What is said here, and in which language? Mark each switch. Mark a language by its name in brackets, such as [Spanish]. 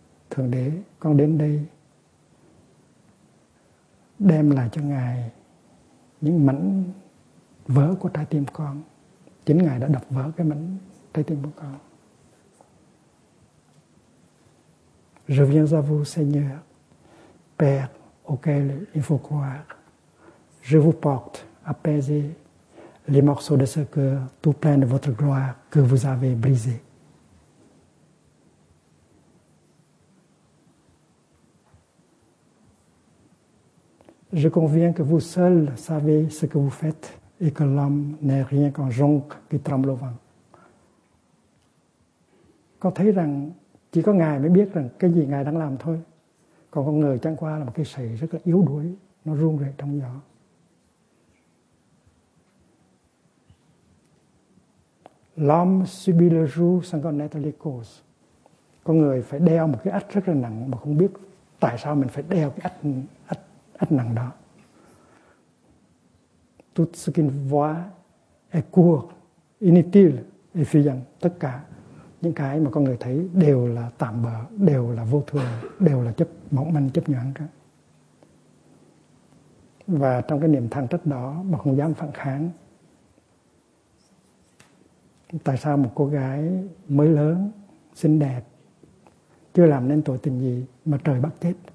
[Vietnamese] Thượng Đế, con đến đây đem lại cho Ngài những mảnh vỡ của trái tim con. Chính Ngài đã đập vỡ cái mảnh trái tim của con. [French] Je viens à vous, Seigneur. Père auquel il faut croire, je vous porte apaisé les morceaux de ce cœur tout plein de votre gloire que vous avez brisé. Je conviens que vous seul savez ce que vous faites et que l'homme n'est rien qu'un jonc qui tremble au vent. [Vietnamese] Con thấy rằng chỉ có Ngài mới biết rằng cái gì Ngài đang làm thôi. Còn con người chẳng qua là một cái sợi rất là yếu đuối, nó run rẩy trong gió. [French] L'homme subit le joug sans connaître les causes. [Vietnamese] Con người phải đeo một cái ách rất là nặng mà không biết tại sao mình phải đeo cái ách nặng đó. [French] Tout ce qu'il voit est court, inutile et fuyant. [Vietnamese] Tất cả những cái mà con người thấy đều là tạm bợ, đều là vô thường, đều là chấp mỏng manh, chấp nhoáng cả. Và trong cái niềm than trách đó mà không dám phản kháng. Tại sao một cô gái mới lớn, xinh đẹp, chưa làm nên tội tình gì mà trời bắt chết?